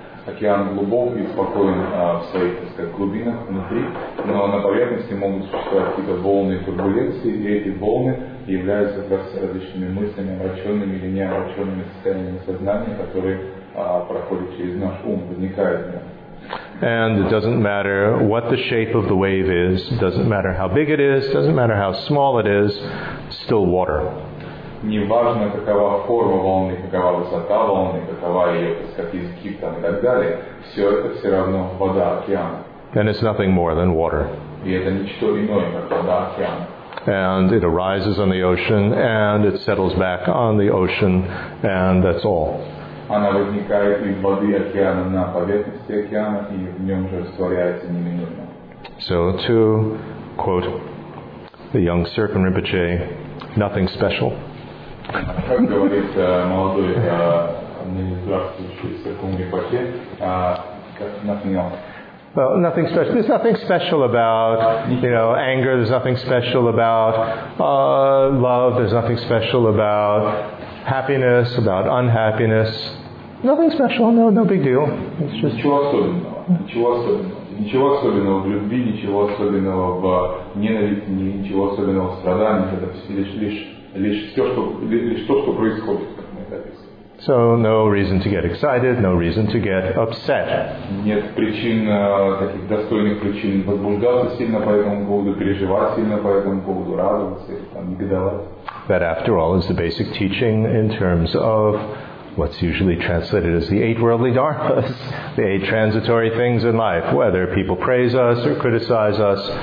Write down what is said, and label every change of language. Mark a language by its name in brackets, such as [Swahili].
[Russian] Океан глубок и спокоен в своих, так сказать, глубинах внутри, но на поверхности могут существовать какие-то волны и турбуленции, и эти волны являются как раз различными мыслями, омраченными или неомраченными состояниями сознания, которые проходят через наш ум, возникают в нем. [English] And it doesn't matter what the shape of the wave is, doesn't matter how big it is, doesn't matter how small it is, still water. [Russian] Не важно, какова форма волны, какова высота волны, какова ее, так сказать, изгиб там и так далее, все это все равно вода океана. [English] And it's nothing more than water. [Russian] И это ничто иное, как вода океана. [English] And it arises on the ocean, and it settles back on the ocean, and that's all. [Russian] Она возникает из воды океана на поверхности океана и в нем же растворяется неминуемо. [English] So to quote the young serpent Rinpoche, nothing special. [Russian] Как говорит молодой здравствующий серпун Ринпоче, [English] nothing else. Well, nothing special. There's nothing special about, you know, anger. There's nothing special about love. There's nothing special about happiness, about unhappiness. Nothing special. No big deal. It's just [Russian] ничего особенного. Ничего особенного. Ничего особенного в любви. Ничего особенного в ненависти. Ничего особенного в страданиях. Это лишь то, что происходит. [English] So no reason to get excited, no reason to get upset. [Russian] Нет причин, таких достойных причин возбуждаться сильно по этому поводу, переживать сильно по этому поводу, радоваться, негодовать. [English] That after all is the basic teaching in terms of what's usually translated as the eight worldly dharmas, the eight transitory things in life, whether people praise us or criticize us.